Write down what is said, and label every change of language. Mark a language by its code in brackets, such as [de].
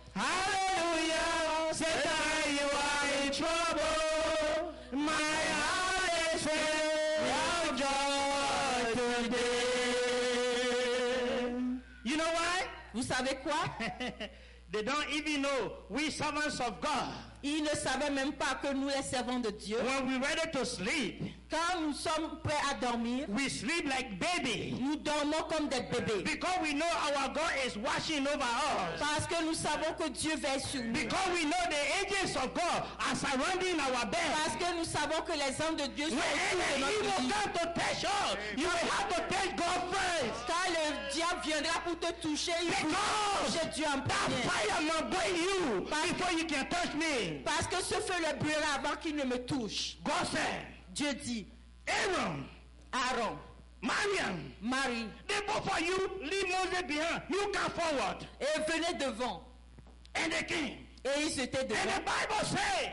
[en] Hallelujah. Satan, you are in trouble. My heart is filled with joy today. You know why? [fr] Vous savez quoi? [en] They don't even know we servants of God. [fr] Ils ne savaient même pas que nous les servons de Dieu. [en] When we're ready to sleep, [fr] quand nous sommes prêts à dormir, [en] we sleep like baby. [fr] Nous dormons comme des bébés. [en] Because we know our God is watching over us. [fr] Parce que nous savons que Dieu veille sur nous. [en] Because we know the angels of God are surrounding our bed. [fr] Parce que nous savons que les anges de Dieu sont autour de notre lit. [en] You will have to touch God first. [fr] Quand le diable viendra pour te toucher, il faut toucher Dieu en premier. [en] That fire will burn you before you can touch me. [fr] Parce que ce feu le brûlera avant qu'il ne me touche. [en] God said, [fr] Dieu dit, [en] Aaron, Marian, [fr] Marie, [en] they both of you leave Moses behind. You come forward. [fr] Et venez devant. [en] And they came. [fr] Et ils étaient devant. [en] And the Bible said,